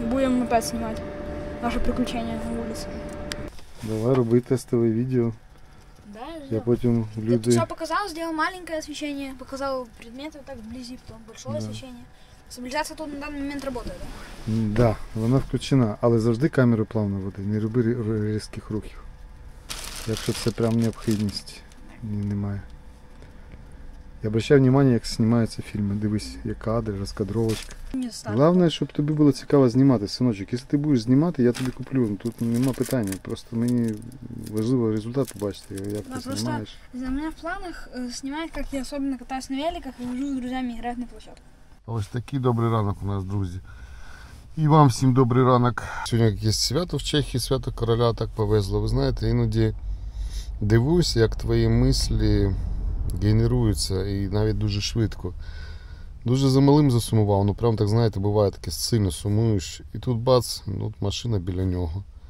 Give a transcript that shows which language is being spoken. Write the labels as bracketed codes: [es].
[ru] Будем опять снимать наши приключения на улице. Давай робить тестовое видео. Да, я потом люди... Я показал, сделал маленькое освещение, показал предметы вот так вблизи, потом большое, да, освещение. Стабилизация тут на данный момент работает, да? Да, она включена, [uk] але завжди камеру плавно веди, не роби різких рухів. Якщо це прям необхідність, немає. [ru] Я обращаю внимание, как снимаются фильмы. [uk] Дивись, як кадр, раскадровочка. [ru] Главное, чтобы тебе было цікаво снимать, сыночек. Если ты будешь снимать, я тебе куплю. [uk] Тут нема питання. Просто мне важливо результат побачити, як ти снимаєш. [ru] Просто у меня в планах снимать, как я особенно катаюсь на великах и вожу с друзьями играть на площадку. [uk] Ось такий добрий ранок у нас, друзі. І вам всім добрий ранок. Сьогодні якесь свято в Чехії, свято короля, так повезло. Ви знаєте, іноді дивуюся, як твої мислі генеруються, і навіть дуже швидко. Дуже за малим засумував, ну прям так, знаєте, буває таке, сильно сумуєш, і тут бац, тут машина біля нього.